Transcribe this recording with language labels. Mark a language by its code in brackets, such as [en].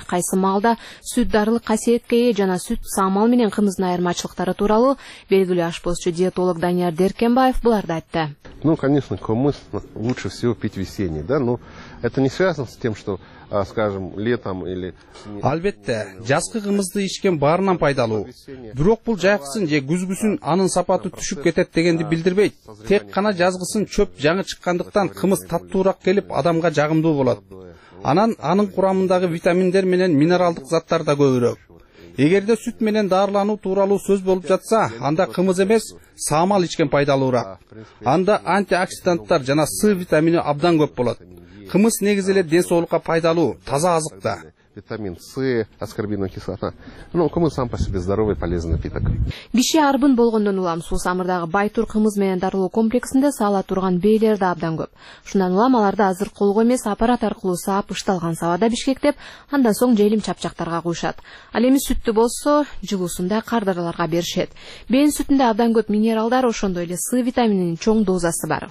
[ky] Кайсы малда сүт дарылык касиетке ээ жана сүт саамал менен кымыздын айырмачылыктары тууралуу белгилүү ашпозчу диетолог Данияр Деркенбаев буларды айтты. [ru] Ну, конечно, кумыс лучше всего пить весенний, да? Но это не связано с тем, что, скажем, летом или... [ky] Албетте, жазгы кымызды ичкен баарынан пайдалуу. Бирок бул жайкысын же күзгүсүн анын сапаты түшүп кетет дегенди билдирбейт. Тек гана жазгысын чөп жаңы чыккандыктан кымыз таттуураак келип адамга жагымдуу болот. Анан анын курамындагы витаминдер менен минералдык заттар да көбүрөөк. Эгерде сүт менен даарылануу тууралуу сөз болуп жатса, анда кымыз эмес, саамал ичкен пайдалуураак. Анда антиоксиданттар жана С витамини абдан көп болот. Кымыз негизи эле ден соолукка пайдалуу, таза азык да. [ru] Витамин С, аскорбиновая кислота. Ну, кымыз сам по себе здоровый, полезный питок. [ky] Киши арбын болгондон улам суусамырдагы байтур кымыз менен дарылоо комплексинде саала турган бейлер да абдан көп. Шундан улам аларды азыр колго эмес аппарат аркылуу саап ышталган сабада бишкектеп, андан соң желим чапчактарга куюшат. Ал эми сүттү болсо, жылуусунда кардарларга беришет. Бен сүтүндө абдан көп минералдар, ошондой эле С витамининин чоң дозасы бар.